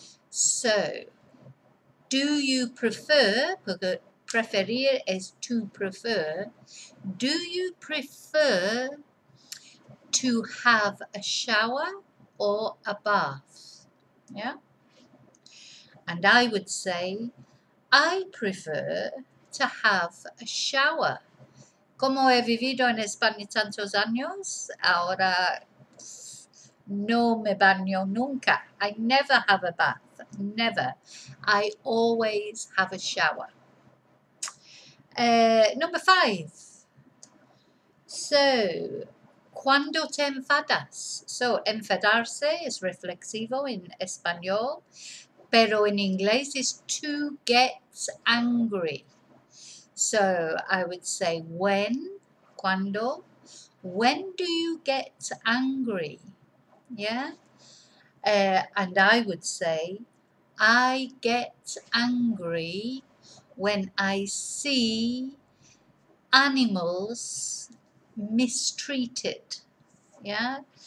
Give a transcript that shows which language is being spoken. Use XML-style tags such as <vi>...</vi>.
<en>So, do you prefer,</en> <es>porque preferir</es> <en>is to prefer, do you prefer to have a shower or a bath? Yeah? And I would say, I prefer to have a shower.</en> <es>Como he vivido en España tantos años, ahora no me baño nunca.</es> <en>I never have a bath, never. I always have a shower. Number 5. So,</en> <es>¿cuándo te enfadas? So, enfadarse es reflexivo en español, pero en inglés</es> <en>is to get angry. So, I would say when, cuando, when do you get angry? Yeah? And I would say, I get angry when I see animals mistreated. Yeah?</en>